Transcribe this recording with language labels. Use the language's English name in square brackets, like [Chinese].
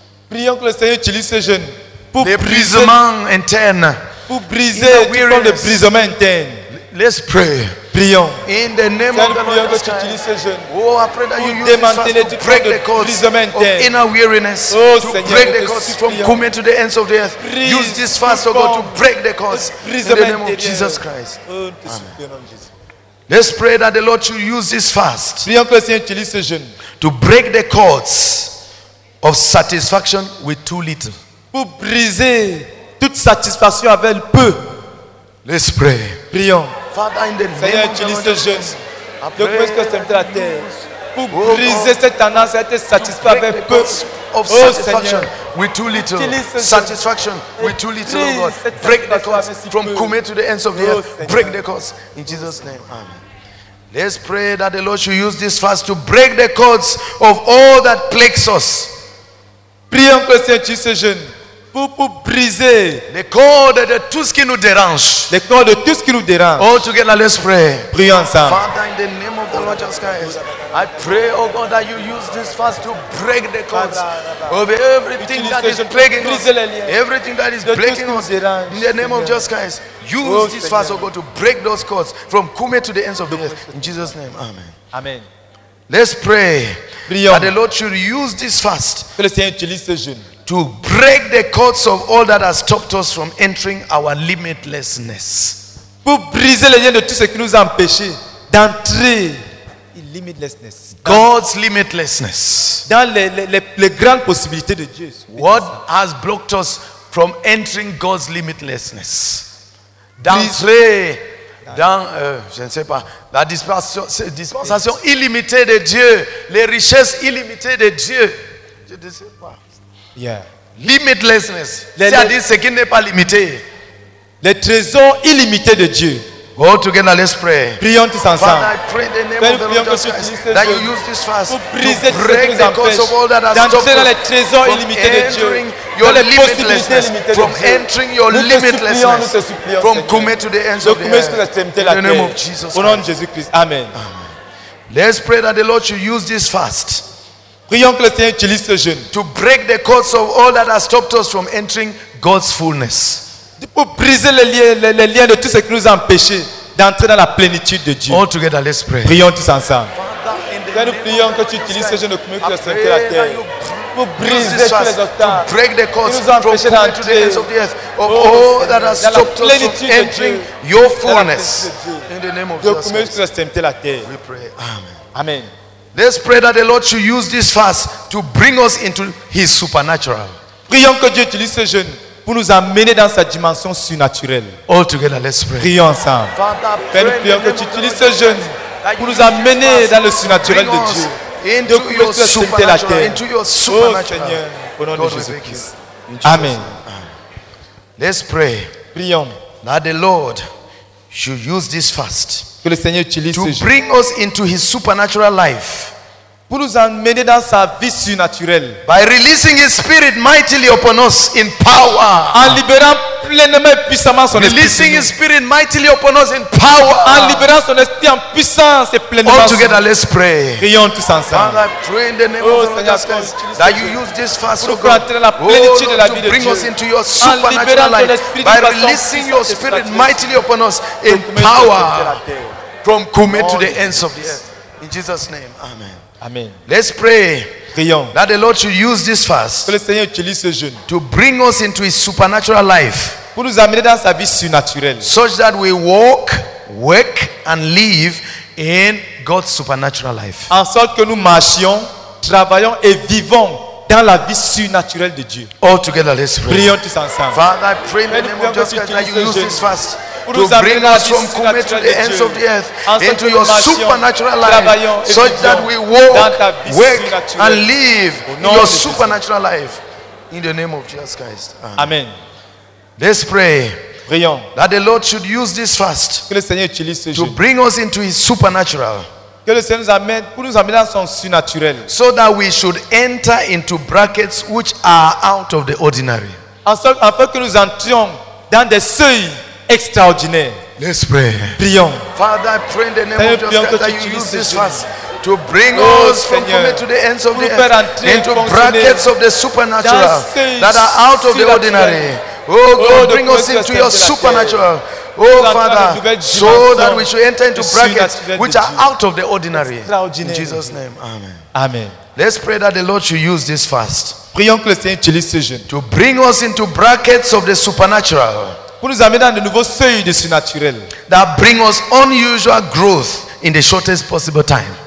[French] Prions que le Seigneur utilise ce jeûne pour briser les prisons internes. pour briser le brisement interne. [English] Let's pray. [French] Prions. [English] In the name of the Lord Jesus Christ. Oh, I pray that you use us to break the cause of inner weariness. Oh, to Seigneur, break the cause from coming to the ends of the earth. [French] Prise, [English] use this fast, oh God, to break the cause in the name of Jesus Christ. Amen. Let's pray that the Lord should use this fast. [French] Prions que le Seigneur utilise ce jeûne. [English] To break the cords of satisfaction with too little. [French] Pour briser toute satisfaction avec peu. [English] Let's pray. [French] Prions. [English] Father, in the name [French] Seigneur, utilise ce jeûne. De quoi est-ce que c'est la terre? Pour briser cette tendance à être satisfait avec peu. [English] Of satisfaction with too little. Satisfaction with too little, oh God. Break the course from Kume to the ends of the earth. Break the course in Jesus' name. Amen. Let's pray that the Lord should use this fast to break the cords of all that plagues us. [French] Prions que le Seigneur utilise ce jeûne pour briser les cordes de tout ce qui nous dérange. Les cordes de tout ce qui nous dérange. [English] All together, let's pray. [French] Prions ensemble. [English] Father, in the name of the Lord Jesus Christ, I pray, oh God, that you use this fast to break the cords of everything that is plaguing us. Everything that is plaguing us. In the name of Jesus Christ, use this fast, oh God, to break those cords from Kume to the ends of the earth. In Jesus' name, amen. Amen. Let's pray. [French] Prions. [English] That the Lord should use this fast. [French] Que le Seigneur utilise ce jeûne. [English] To break the cords of all that has stopped us from entering our limitlessness. [French] Pour briser les liens de tout ce qui nous a empêché d'entrer [English] in limitlessness. God's limitlessness. [French] Dans les grandes possibilités de Dieu. [English] What has blocked us from entering God's limitlessness? [French] D'entrer dans, je ne sais pas, la dispensation illimitée de Dieu, les richesses illimitées de Dieu. Je ne sais pas. [English] Yeah. Limitlessness. [French] C'est-à-dire ce qui n'est pas limité. Les trésors illimités de Dieu. [English] Go together, let's pray. [French] Prions tous ensemble. [English] Father, I pray in the name of the Lord Jesus Christ, that you use this fast [French] pour briser [English] to break the cords of all that has stopped us from entering your limitlessness. From entering your limitlessness. From Kume to the ends of the earth. In the name of Jesus Christ. [French] Au nom de Jésus Christ. Amen. [English] Let's pray that the Lord should use this fast. [French] Prions que le Seigneur utilise ce jeûne. [English] To break the cords of all that has stopped us from entering God's fullness. [French] Pour briser les liens de tout ce qui nous a empêché d'entrer dans la plénitude de Dieu. [English] All together, let's pray. [French] Prions tous ensemble. [English] Father, [French] nous prions que tu utilises ce jeûne de Kume que le Seigneur a la terre. Pour briser tous les obstacles. [English] Break the cords from the ends of the earth. Of all that has stopped us from entering your fullness. In the name of Jesus. [French] De Kume que le Seigneur a la terre. [English] We pray. Amen. Amen. Let's pray that the Lord should use this fast to bring us into His supernatural. [French] Prions que Dieu utilise ce jeûne pour nous amener dans sa dimension surnaturelle. [English] All together, let's pray. [French] Prions ensemble. [English] Father, [French] nous prions que tu utilises ce jeûne pour nous amener dans le surnaturel de Dieu. [English] Into your supernatural. Into your supernatural. [French] Oh Seigneur, au nom de Jésus Christ. [English] Amen. Let's pray. [French] Prions [English] that the Lord should use this fast. [French] Que le Seigneur utilise [English] to bring us into His supernatural life, [French] pour nous amener dans sa vie surnaturelle, [English] by releasing His Spirit mightily upon us in power, [French] en libérant pleinement et puissamment son [English] releasing [French] esprit, [English] releasing His Spirit mightily upon us in power, [French] en libérant son esprit en puissance et pleinement. [English] All together, let's pray. [French] Prions tous ensemble. [English] Father, I pray in the name of the Lord Jesus Christ that you use this fast [French] pour nous entrer dans la plénitude de la vie de Dieu, [English] to bring us into your supernatural life, by releasing your Spirit mightily upon us in power, from Kume to the ends of the earth. In Jesus' name, amen. Amen. Let's pray. [French] Prions. [English] That the Lord should use this fast. [French] Que le Seigneur utilise ce jeûne. [English] To bring us into His supernatural life. [French] Pour nous amener dans sa vie surnaturelle. [English] Such that we walk, work, and live in God's supernatural life. [French] En sorte que nous marchions, travaillons et vivons dans la vie surnaturelle de Dieu. [English] All together, let's pray. [French] Prions tous ensemble. [English] Father, I pray in the name of Jesus that you use this fast. To bring us from Kume to the ends of the earth into your supernatural life, such that we walk, work, and live in your supernatural life. In the name of Jesus Christ. Amen. Let's pray. [French] Prions. [English] That the Lord should use this fast to bring us into His supernatural. [French] Que le Seigneur nous amène pour nous amener dans son surnaturel. [English] So that we should enter into brackets which are out of the ordinary. [French] Afin que nous entrions dans des seuils extraordinaire. [English] Let's pray. [French] Prions. [English] Father, I pray in the name of Jesus Christ that you use this fast to bring us from coming to the ends of the earth into brackets of the supernatural that are out of the ordinary. Oh God, bring us into your supernatural. Oh Father, so that we should enter into brackets which are out of the ordinary. In Jesus' name, amen. Amen. Let's pray that the Lord should use this fast. [French] Prions que le Seigneur utilise ce jeûne. [English] To bring us into brackets of the supernatural. [French] Pour nous amener dans de nouveaux seuils de surnaturel. [English] That bring us unusual growth in the shortest possible time.